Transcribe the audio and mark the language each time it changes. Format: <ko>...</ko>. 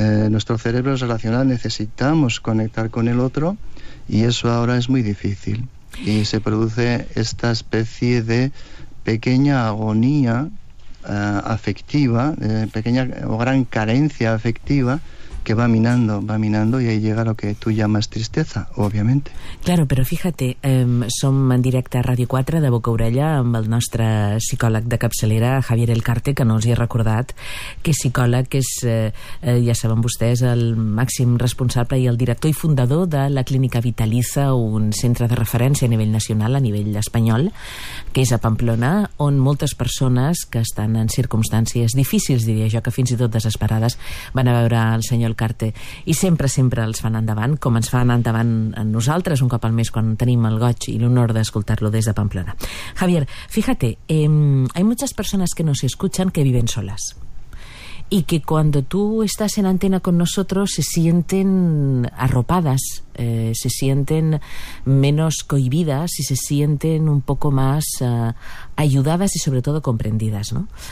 <es>Nuestro cerebro es relacional, necesitamos conectar con el otro y eso ahora es muy difícil. Y se produce esta especie de pequeña agonía afectiva, pequeña o gran carencia afectiva, que va minando y ahí llega lo que tú llamas tristeza, obviamente.</es> <ca>Claro, però fíjate, som en directe a Ràdio 4 de Boca Orella amb el nostre psicòleg de capçalera, Javier Elcarte, que no els hi he recordat, que és psicòleg, que és, ja saben vostès, el màxim responsable i el director i fundador de la Clínica Vitalisa, un centre de referència a nivell nacional, a nivell espanyol, que és a Pamplona, on moltes persones que estan en circumstàncies difícils, diria jo, que fins i tot desesperades, van a veure el senyor Elcarte i sempre, sempre els fan endavant, com ens fan endavant nosaltres un cop al mes quan tenim el goig i l'honor d'escoltar-lo des de Pamplona.</ca> <es>Javier, fíjate, hay muchas personas que nos escuchan que viven solas y que cuando tú estás en antena con nosotros se sienten arropadas, se sienten menos cohibidas y se sienten un poco más ayudadas y sobre todo comprendidas, ¿no?</es>